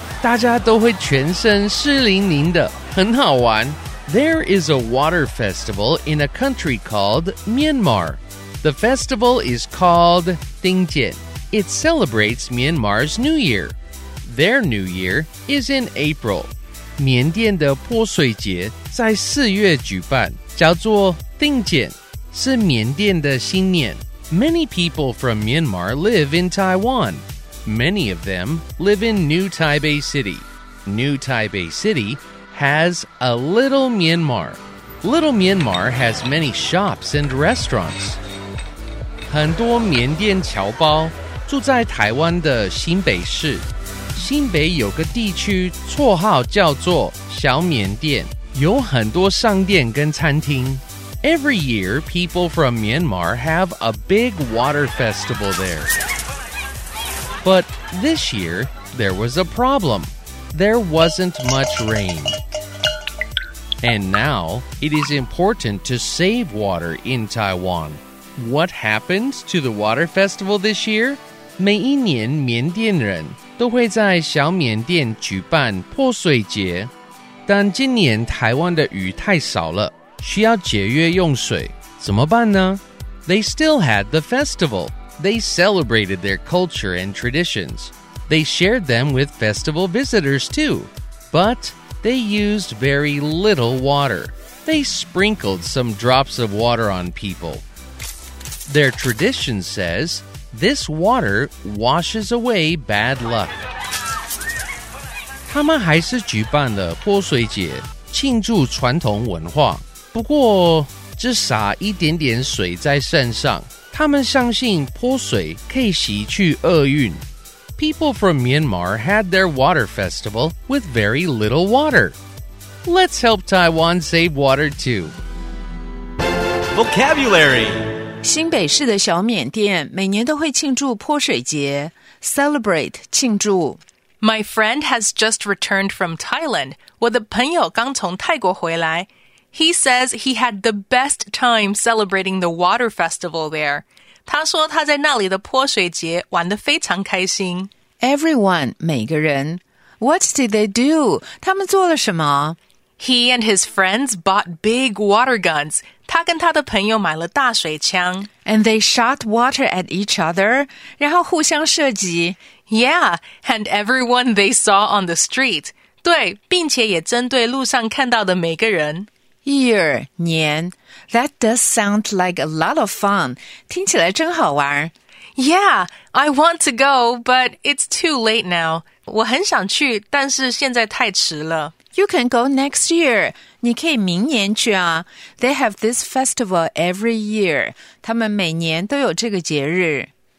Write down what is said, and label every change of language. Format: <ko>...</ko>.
<zh>大家都会全身湿淋淋的，很好玩。</zh> <en>There is a water festival in a country called Myanmar. The festival is called Thingyan. It celebrates Myanmar's New Year. Their New Year is in April.</en> <zh>緬甸的潑水節在四月舉辦，叫做 Thingyan， 是緬甸的新年。</zh> <en>Many people from Myanmar live in Taiwan. Many of them live in New Taipei City. New Taipei City has a little Myanmar. Little Myanmar has many shops and restaurants.</en> <zh>很多緬甸僑胞住在台灣的新北市。新北有个地区绰号叫做小缅甸，有很多商店跟餐厅。</zh> <en>Every year, people from Myanmar have a big water festival there. But this year, there was a problem. There wasn't much rain. And now, it is important to save water in Taiwan. What happened to the water festival this year?</en> <zh>每一年緬甸人都会在小緬甸举办潑水节，但今年台湾的雨太少了，需要节约用水，怎么办呢？</zh> <en>They still had the festival. They celebrated their culture and traditions. They shared them with festival visitors too. But they used very little water. They sprinkled some drops of water on people. Their tradition says... This water washes away bad luck.</en> <zh>他们还是举办了潑水节，庆祝传统文化。不过，只撒一点点水在身上。他们相信潑水可以洗去厄运。</zh> <en>People from Myanmar had their water festival with very little water. Let's help Taiwan save water too. Vocabulary.</en> <zh>新北市的小缅甸每年都会庆祝泼水节 Celebrate 庆祝</zh> <en>My friend has just returned from Thailand</en> <zh>我的朋友刚从泰国回来</zh> <en>He says he had the best time celebrating the water festival there</en> <zh>他说他在那里的泼水节玩得非常开心</zh> <en>Everyone 每个人 What did they do?</en> <zh>他们做了什么</zh> <en>He and his friends bought big water guns.</en> <zh>他跟他的朋友买了大水枪。</zh> <en>And they shot water at each other,</en> <zh>然后互相射击。</zh> <en>Yeah, and everyone they saw on the street.</en> <zh>对,并且也针对路上看到的每个人。</zh> <en>Year, 年。 That does sound like a lot of fun.</en> <zh>听起来真好玩。</zh> <en>Yeah, I want to go, but it's too late now.</en> <zh>我很想去,但是现在太迟了。</zh> <en>You can go next year.</en> <zh>你可以明年去啊。</zh> <en>They have this festival every year.</en> <zh>他们每年都有这个节日。</zh>